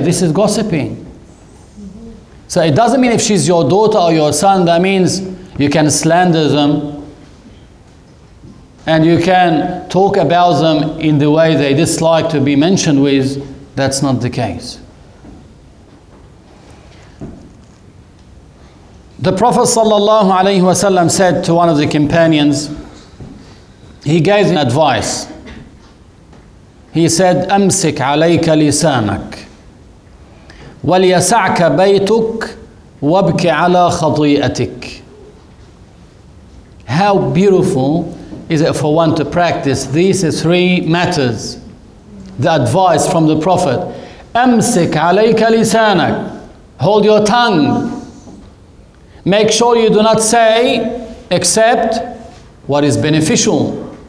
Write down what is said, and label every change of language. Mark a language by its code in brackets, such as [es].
[en] This is gossiping. So it doesn't mean if she's your daughter or your son, that means you can slander them and you can talk about them in the way they dislike to be mentioned with. That's not the case. The Prophet sallallahu alayhi wasallam said to one of the companions, he gave him advice. He said, [ar] أمسك عليك لسانك وليسعك بيتك وابك على خطيئتك. [en] How beautiful is it for one to practice these three matters, the advice from the Prophet. [ar] أمسك عليك لسانك, [en] hold your tongue. Make sure you do not say except what is beneficial.